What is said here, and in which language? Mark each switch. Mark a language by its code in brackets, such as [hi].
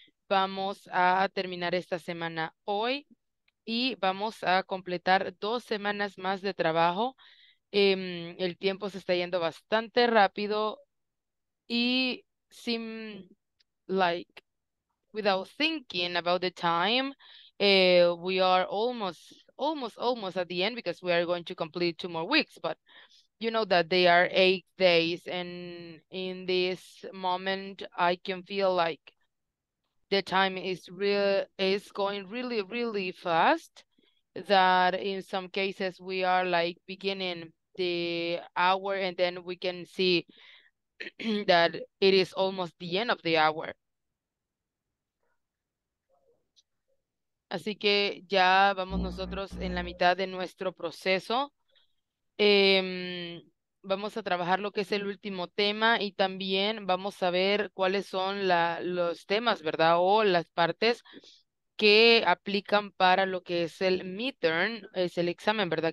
[es] Vamos a terminar esta semana hoy y vamos a completar 2 semanas más de trabajo. El tiempo se está yendo bastante rápido y sin, [en] like, without thinking about the time, we are almost at the end because we are going to complete 2 more weeks, but you know that they are 8 days, and in this moment, I can feel like the time is going really, really fast. That in some cases we are like beginning the hour, and then we can see that it is almost the end of the hour. [es] Así que ya vamos nosotros en la mitad de nuestro proceso. Vamos a trabajar lo que es el último tema y también vamos a ver cuáles son los temas, ¿verdad? O las partes que aplican para lo que es el midterm, es el examen, ¿verdad?